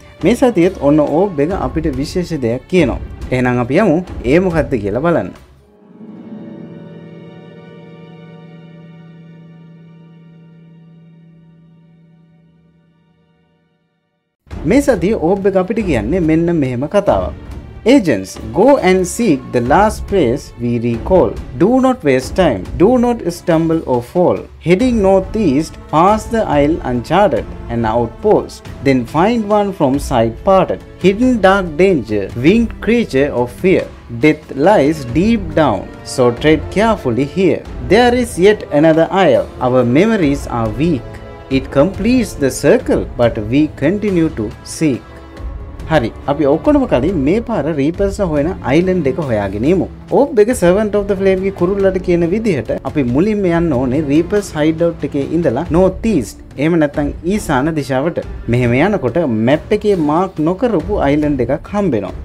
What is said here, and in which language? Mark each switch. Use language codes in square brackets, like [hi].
[si] මේ සතියෙත් ඔන්න ඕබ් එක අපිට විශේෂ දෙයක් කියනවා. එහෙනම් අපි යමු ඒ මොකද්ද කියලා බලන්න. මේ සතියේ ඕබ් එක අපිට කියන්නේ මෙන්න මෙහෙම කතාවක්. [en] Agents, go and seek the last place we recall. Do not waste time. Do not stumble or fall. Heading northeast, past the isle uncharted, an outpost. Then find one from sight parted. Hidden dark danger, winged creature of fear. Death lies deep down, so tread carefully here. There is yet another isle. Our memories are weak. It completes the circle, but we continue to seek. [si] හරි අපි ඔක්කොම කලින් මේ පාර රීපර්ස් හොයන island එක හොයාගෙන යමු. ඕබ් එක සර්වන්ට් ඔෆ් ද ෆ්ලේම් ගේ කුරුල්ලට කියන විදිහට අපි මුලින්ම යන්න ඕනේ රීපර්ස් හයිඩ් අවුට් එකේ ඉඳලා නෝත් ඊස්ට්, එහෙම නැත්නම් ඊසාන දිශාවට. මෙහෙම යනකොට මැප් එකේ මාක් නොකරපු අයිලන්ඩ් එකක් හම්බෙනවා.